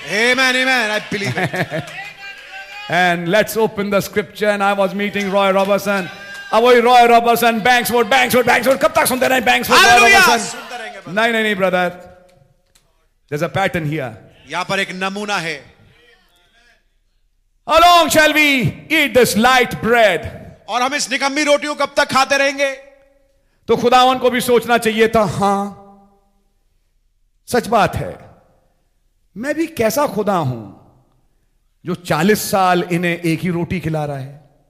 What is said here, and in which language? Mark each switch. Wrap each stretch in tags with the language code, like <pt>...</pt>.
<en>Amen amen I believe it. And let's open the scripture. And I was meeting Roy Roberson.</en> <hi>अब वही Roy Roberson बैंक्सवुड बैंक्सवुड बैंक्सवुड कब तक सुनते रहे बैंक्सवुड रॉय रॉबर्सन? नहीं नहीं नहीं</hi> <en>Brother, there is a pattern here.</en> <hi>यहां पर एक नमूना है।</hi> <en>How long shall we eat this light bread?</en> <hi>और हम इस निकम्मी रोटियों कब तक खाते रहेंगे? तो खुदावन को भी सोचना चाहिए था, हां सच बात है, मैं भी कैसा खुदा हूं जो 40 साल इन्हें एक ही रोटी खिला रहा है।</hi>